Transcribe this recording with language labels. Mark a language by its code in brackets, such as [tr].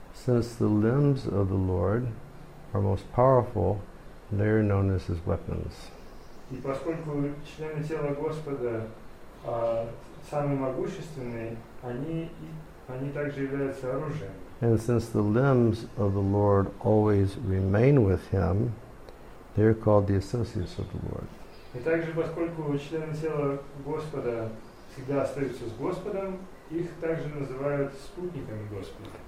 [en] Since the limbs of the Lord are most powerful, they are known as his weapons. [ru] И поскольку члены тела Господа самые могущественные, они также являются оружием. [en] And since the limbs of the Lord always remain with him, they are called the associates of the Lord. [ru] И также поскольку члены тела Господа всегда остаются с Господом, их также называют спутниками Господа.